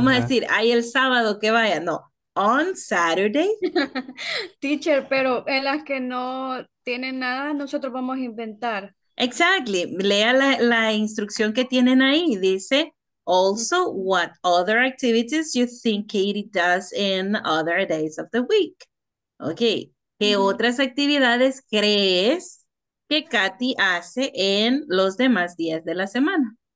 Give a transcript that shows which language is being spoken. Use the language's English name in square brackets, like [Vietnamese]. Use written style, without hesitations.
[Spanish] Vamos a decir, hay el sábado que vaya. [English] No. On Saturday. [Spanish] Teacher, pero en las que no tienen nada, nosotros vamos a inventar. [English] Exactly. [Spanish] Lea la instrucción que tienen ahí. Dice, [English] also, what other activities you think Katie does in other days of the week? Okay. [Spanish] ¿Qué otras actividades crees que Katy hace en los demás días de la semana?